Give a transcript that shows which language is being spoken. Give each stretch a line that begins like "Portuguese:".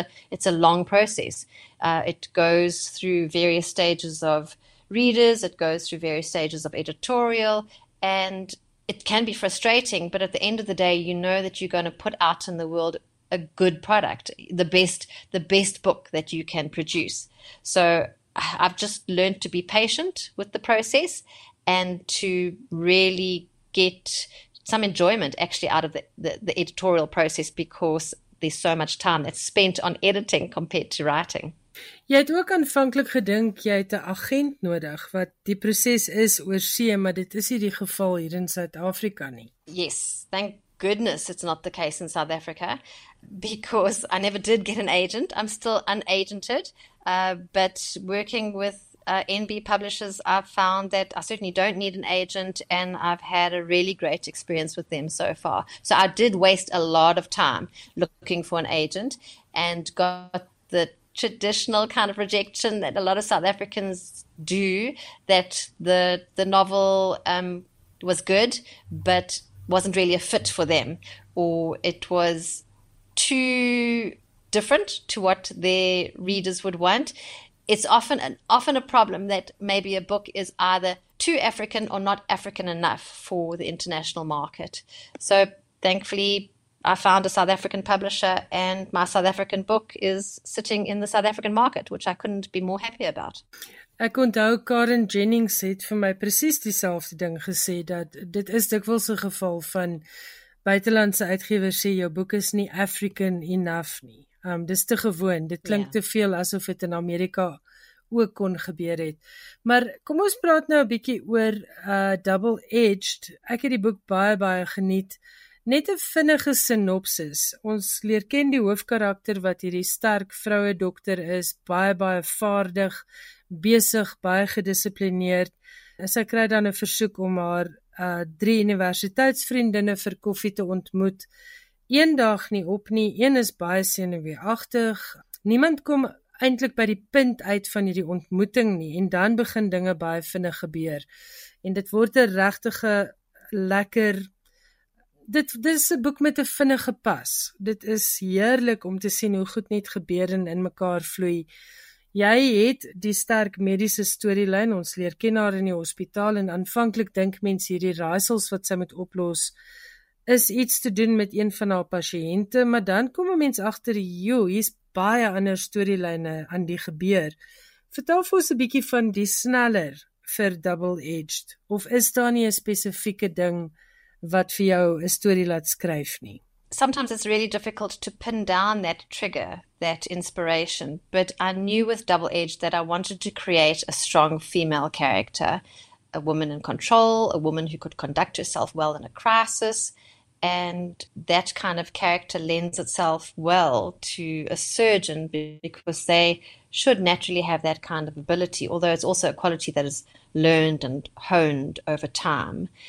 English: It's a long process. It goes through various stages of readers, it goes through various stages of editorial, and it can be frustrating, but at the end of the day, you know that you're going to put out in the world a good product, the best book that you can produce. So I've just learned to be patient with the process and to really get some enjoyment actually out of the editorial process, because there's so much time that's spent on editing compared to writing.
Afrikaans: Jy het ook aanvanklik gedink jy het 'n agent nodig, wat die proses is oor see, maar dit is nie die geval hier in Suid-Afrika nie.
English: Yes, thank goodness it's not the case in South Africa, because I never did get an agent. I'm still unagented, but working with NB Publishers, I've found that I certainly don't need an agent, and I've had a really great experience with them so far. So I did waste a lot of time looking for an agent and got the traditional kind of rejection that a lot of South Africans do, that the novel was good but wasn't really a fit for them, or it was too different to what their readers would want. It's often a problem that maybe a book is either too African or not African enough for the international market. So thankfully I found a South African publisher, and my South African book is sitting in the South African market, which I couldn't be more happy about.
Afrikaans: Ek onthou Karen Jennings het vir my presies dieselfde ding gesê, dat dit is dikwels 'n geval van buitelandse uitgewers sê jou boek is nie
English: African enough
Afrikaans: nie. Dis te gewoon, dit klink te veel asof dit in Amerika ook kon gebeur het. Maar kom ons praat nou 'n bietjie oor Double-Edged. Ek het die boek baie geniet. Net 'n vinnige sinopsis. Ons leer ken die hoofkarakter, wat hierdie sterk vroue dokter is, baie vaardig, besig, baie gedissiplineerd. En sy kry dan 'n versoek om haar drie universiteitsvriendinne vir koffie te ontmoet. Eendag nie op nie, een is baie senuweeagtig. Niemand kom eintlik by die punt uit van hierdie ontmoeting nie en dan begin dinge baie vinnig gebeur. En dit word 'n regtige lekker Dit is 'n boek met 'n vinnige pas. Dit is heerlik om te sien hoe goed net gebeur en in mekaar vloei. Jy het die sterk mediese storielyn, ons leer ken haar in die hospitaal en aanvanklik dink mens hierdie raaisels wat sy moet oplos is iets te doen met een van haar pasiënte, maar dan kom 'n mens agter, joe, hier's baie ander storielyne aan die gebeur. Vertel vir ons 'n bietjie van die sneller vir double-edged, of is daar nie 'n spesifieke ding wat vir jou 'n storie laat skryf nie?
English: Sometimes it's really difficult to pin down that trigger, that inspiration, but I knew with Double Edge that I wanted to create a strong female character, a woman in control, a woman who could conduct herself well in a crisis, and that kind of character lends itself well to a surgeon because they should naturally have that kind of ability, although it's also a quality that is learned and honed over time.